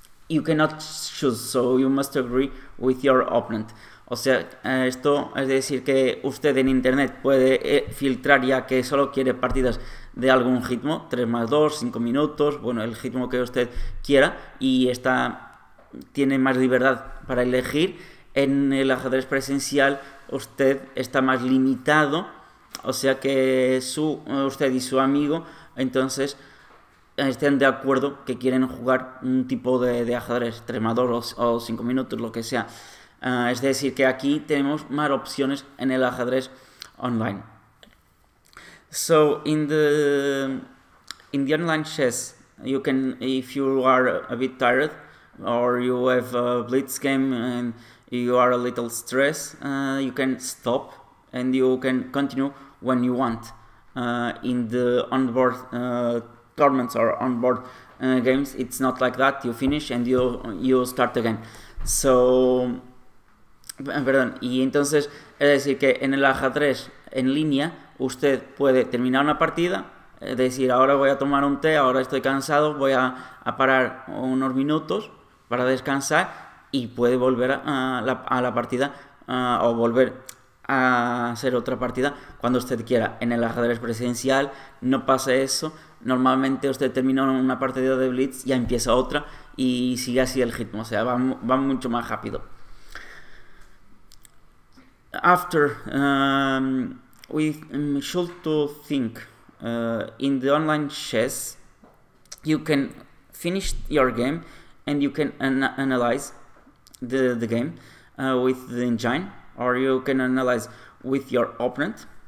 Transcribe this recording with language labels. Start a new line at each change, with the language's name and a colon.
English: You cannot choose, so you must agree with your opponent.
Spanish: O sea, esto es decir que usted en internet puede filtrar ya que solo quiere partidas de algún ritmo, 3 más 2, 5 minutos, bueno, el ritmo que usted quiera, y tiene más libertad para elegir. En el ajedrez presencial, usted está más limitado, o sea que usted y su amigo, entonces, estén de acuerdo que quieren jugar un tipo de ajedrez, 3 más 2 o 5 minutos, lo que sea. Es decir, que aquí tenemos más opciones en el ajedrez online.
English: So in the online chess, you can, if you are a bit tired or you have a blitz game and you are a little stressed, you can stop and you can continue when you want. In the onboard tournaments or onboard games, it's not like that. You finish and you start again. So,
Spanish: perdón. Y entonces, es decir, que en el ajedrez en línea, usted puede terminar una partida, decir, ahora voy a tomar un té, ahora estoy cansado, voy a parar unos minutos para descansar y puede volver a la partida o volver a hacer otra partida cuando usted quiera. En el ajedrez presencial no pasa eso. Normalmente usted termina una partida de Blitz, ya empieza otra y sigue así el ritmo, o sea, va mucho más rápido.
English: After, we should to think in the online chess, you can finish your game and you can analyze the game with the engine, or you can analyze with your opponent.